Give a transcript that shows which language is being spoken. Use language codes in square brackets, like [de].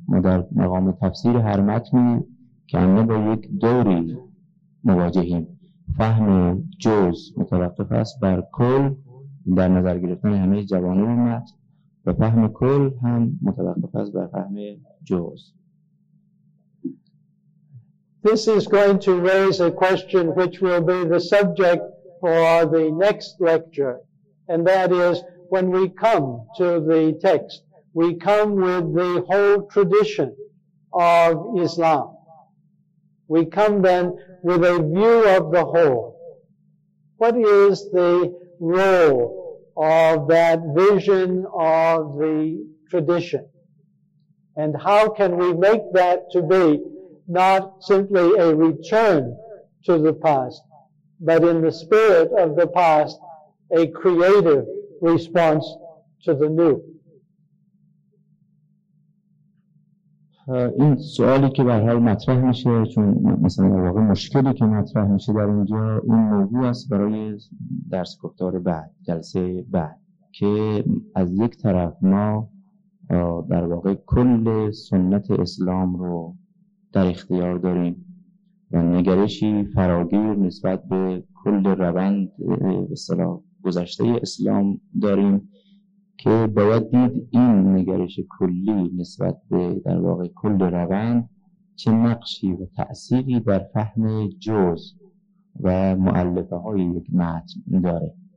[fa] ما در مقام تفسیر هر متنی که همه با یک دوری مواجهیم، فهم جز متوقف است بر کل در نظر گرفتن همه جوانب متن و فهم کل هم متوقف است بر فهم جز. [en] This is going to raise a question which will be the subject for the next lecture, and that is when we come to the text, we come with the whole tradition of Islam. We come then with a view of the whole. What is the role of that vision of the tradition? And how can we make that to be not simply a return to the past, but in the spirit of the past, a creative response to the new? [fa] این سوالی که به هر حال مطرح میشه، چون مثلا واقع مشکلی که مطرح میشه در اینجا، این موضوع است برای درس گفتار بعد، جلسه بعد، که از یک طرف ما در واقع کل سنت اسلام رو در اختیار داریم و نگرشی فراگیر نسبت به کل روند به اصطلاح گذشته اسلام داریم، که باید دید این نگرش کلی نسبت به در واقع کل روند چه نقشی و تأثیری بر فهم جزء و مؤلفه های یک متن داره.